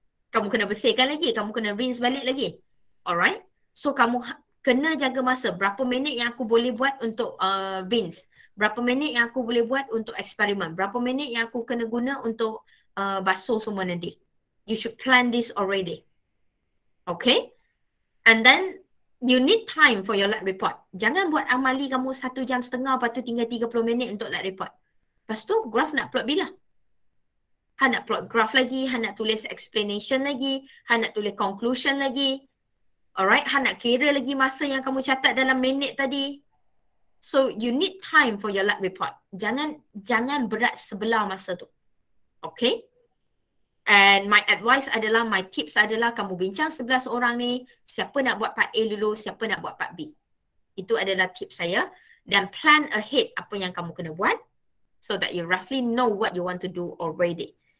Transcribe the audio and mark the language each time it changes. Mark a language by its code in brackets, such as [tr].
[ms] Kamu kena bersihkan lagi. Kamu kena rinse balik lagi. Alright? So kamu kena jaga masa. Berapa minit yang aku boleh buat untuk rinse? Berapa minit yang aku boleh buat untuk eksperimen? Berapa minit yang aku kena guna untuk basuh semua nanti? [en] You should plan this already. Okay? And then you need time for your lab report. [ms] Jangan buat amali kamu 1.5 jam, lepas tu tinggal 30 minit untuk lab report. Lepas tu graph nak plot bila? Ha nak plot graph lagi, ha nak tulis explanation lagi, ha nak tulis conclusion lagi. Alright, ha nak kira lagi masa yang kamu catat dalam minit tadi. [en] So you need time for your lab report. [ms] Jangan berat sebelah masa tu. Okay? And my advice adalah, my tips adalah, kamu bincang 11 orang ni, siapa nak buat part A dulu, siapa nak buat part B. Itu adalah tips saya. Dan plan ahead apa yang kamu kena buat [en] so that you roughly know what you want to do already.